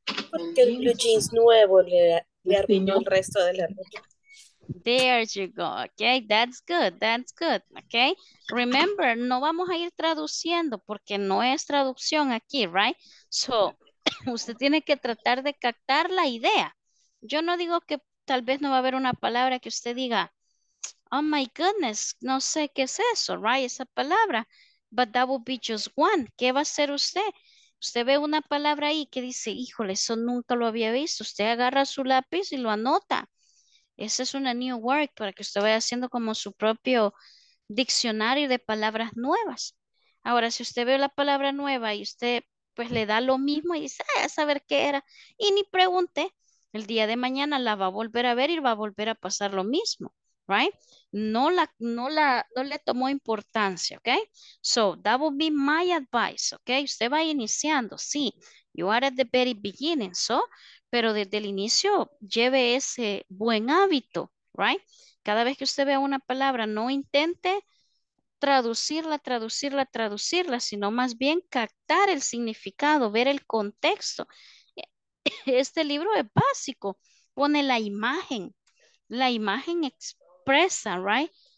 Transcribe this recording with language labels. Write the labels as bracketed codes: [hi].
[es] Porque el blue jeans nuevo le arruinó el resto de la ropa. [en] There you go, okay, that's good, that's good, okay. [es] Remember, no vamos a ir traduciendo porque no es traducción aquí, right? So, usted tiene que tratar de captar la idea. Yo no digo que tal vez no va a haber una palabra que usted diga, [en] oh my goodness, [es] no sé qué es eso, right, esa palabra. [en] But that would be just one. [es] ¿Qué va a hacer usted? Usted ve una palabra ahí que dice, híjole, eso nunca lo había visto. Usted agarra su lápiz y lo anota. Esa es una new word para que usted vaya haciendo como su propio diccionario de palabras nuevas. Ahora, si usted ve la palabra nueva y usted pues le da lo mismo y dice, ay, a saber qué era, y ni pregunte, el día de mañana la va a volver a ver y va a volver a pasar lo mismo, right? No le tomó importancia, ok? [en] So, that would be my advice, ok? [es] Usted va iniciando, sí, [en] you are at the very beginning, so... [es] Pero desde el inicio, lleve ese buen hábito, right? Cada vez que usted vea una palabra, no intente traducirla, sino más bien captar el significado, ver el contexto. Este libro es básico, pone la imagen expresa, right?